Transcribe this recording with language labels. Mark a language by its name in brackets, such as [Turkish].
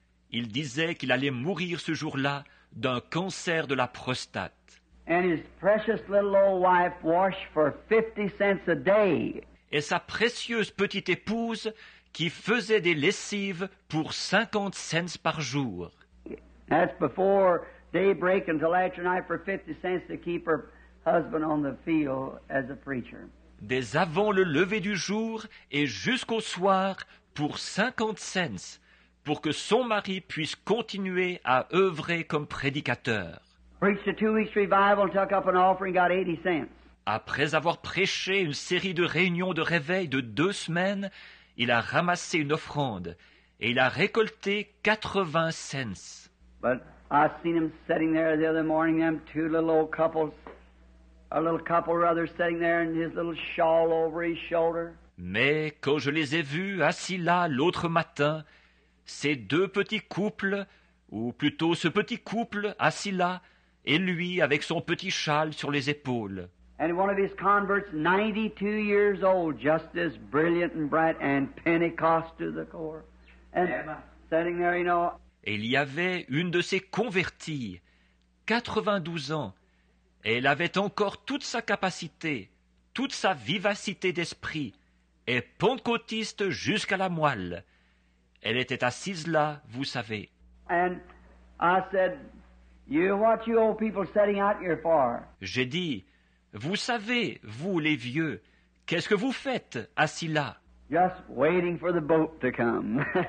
[French] Il disait qu'il allait mourir ce jour-là d'un cancer de la prostate. [English] And his precious little old wife washed for 50 cents a day. [French] Et sa précieuse petite épouse qui faisait des lessives pour 50 cents par jour. [English] That's before daybreak until after night for 50 cents to keep her husband on the field as a preacher. [French] Dès avant le lever du jour et jusqu'au soir pour 50 cents pour que son mari puisse continuer à œuvrer comme prédicateur. [English] Preached a 2 weeks revival, took up an offering, got 80 cents. [French] Après avoir prêché une série de réunions de réveil de 2 semaines, il a ramassé une offrande et il a récolté 80 cents. [English] But I seen him sitting there the other morning, them two little old couples, a little couple rather sitting there in his little shawl over his shoulder. [French] Mais quand je les ai vus assis là l'autre matin, ces deux petits couples, ou plutôt ce petit couple assis là, et lui avec son petit châle sur les épaules. [English] And one of his converts, 92 years old, just as brilliant and bright, and Pentecost to the core. And sitting there, you know. [French] Et il y avait une de ses converties, 92 ans, et elle avait encore toute sa capacité, toute sa vivacité d'esprit, et pentecôtiste jusqu'à la moelle. Elle était assise là, vous savez. [English] And I said, you what you old people sitting out here for? [French] J'ai dit, vous savez, vous les vieux, qu'est-ce que vous faites assis là? [English] Just waiting for the boat to come.